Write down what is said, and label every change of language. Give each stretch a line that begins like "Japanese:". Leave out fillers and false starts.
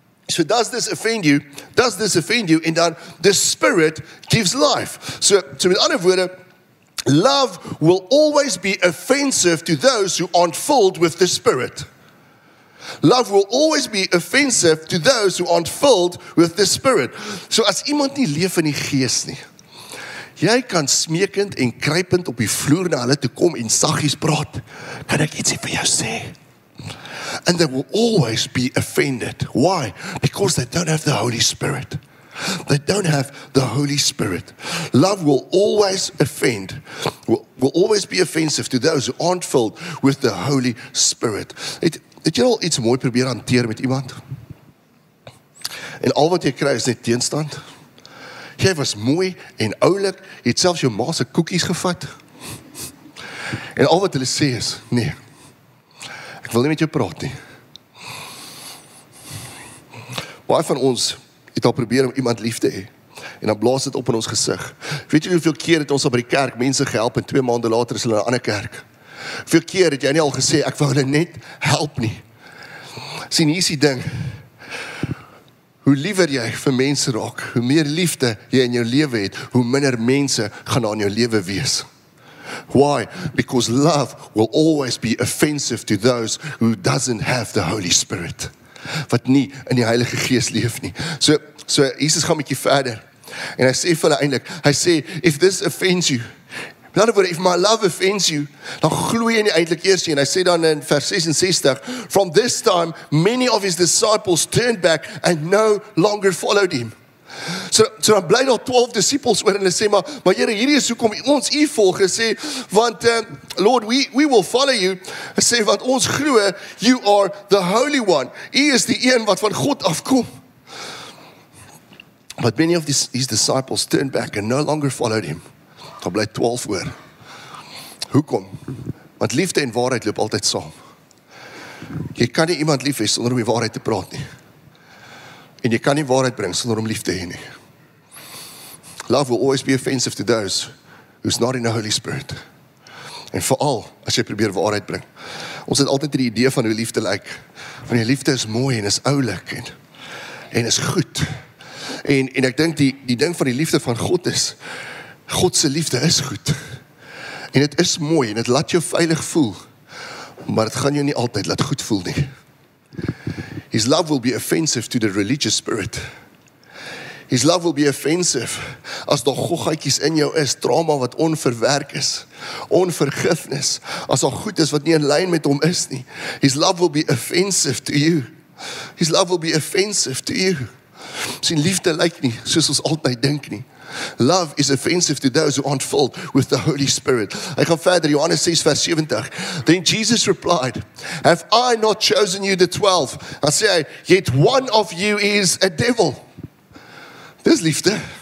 English: So does this offend you? Does this offend you? And then the spirit gives life. So in other words, love will always be offensive to those who aren't filled with the spirit. Love will always be offensive to those who aren't filled with the spirit.
Afrikaans: So as iemand nie leef in die gees nie, jy kan smeekend en kruipend op die vloer na hulle toe kom en saggies praat, kan ek ietsie vir jou sê.
English: And they will always be offended. Why? Because they don't have the Holy Spirit. They don't have the Holy Spirit. Love will always offend, will always be offensive to those who aren't filled with the Holy Spirit.
Afrikaans: Het jy al iets mooi probeer hanteer met iemand? En al wat jy kry is net teenstand. Jy was mooi en oulik, jy het selfs jou ma se koekies gevat. En al wat hulle sê is, nee, ek wil nie met jou praat nie. Baie van ons het al probeer om iemand lief te hê, en dan blaas dit op in ons gesig. Weet jy hoeveel keer het ons al by die kerk mense gehelp, en 2 maande later is hulle in 'n ander kerk? Hoeveel keer het jy nie al gesê, ek wil hulle net help nie? Sien, hier is die ding, hoe liever jy vir mense raak, hoe meer liefde jy in jou lewe het, hoe minder mense gaan aan jou lewe wees.
English: Why? Because love will always be offensive to those who doesn't have the Holy Spirit.
Afrikaans: wat nie in die Heilige Gees leef nie. So Jesus gaan 'n bietjie verder. En hy sê vir hulle eintlik, hy sê
English: if this offends you, in other words, if my love offends you,
Afrikaans: dan gloei jy nie eintlik eers nie. En hy sê dan in vers 66,
English: from this time many of his disciples turned back and no longer followed him.
Afrikaans: So dan bly daar 12 disciples oor en hulle sê maar Here, hierdie is hoekom ons u volg, sê want
English: Lord, we will follow you,
Afrikaans: sê want ons glo
English: you are the holy one.
Afrikaans: U is die een wat van God afkom.
English: But many of his disciples turned back and no longer followed him.
Afrikaans: Daar bly 12 oor. Hoekom? Want liefde en waarheid loop altyd saam. Jy kan nie iemand lief hê sonder om die waarheid te praat nie. En jy kan nie waarheid bring sonder om lief te hê nie.
English: Love will always be offensive to those who's not in the Holy Spirit.
Afrikaans: En veral as jy probeer waarheid bring. Ons het altyd die idee van hoe liefde lyk. Van die liefde is mooi en is oulik en is goed. En ek dink die ding van die liefde van God is, God se liefde is goed. En dit is mooi en dit laat jou veilig voel. Maar dit gaan jou nie altyd laat goed voel nie.
English: His love will be offensive to the religious spirit. His love will be offensive
Afrikaans: as daar goggaatjies in jou is, trauma wat onverwerk is, onvergifnis, as daar goed is wat nie in lyn met hom is nie.
English: His love will be offensive to you. His love will be offensive to you.
Afrikaans: Sien, liefde lyk nie soos ons altyd dink nie.
English: Love is offensive to those who aren't filled with the Holy Spirit.
Afrikaans: Ek gaan verder, Johannes 6 vers 70.
English: Then Jesus replied, have I not chosen you the 12?
Afrikaans: Dan sê hy,
English: yet one of you is a devil.
Afrikaans: Dis liefde.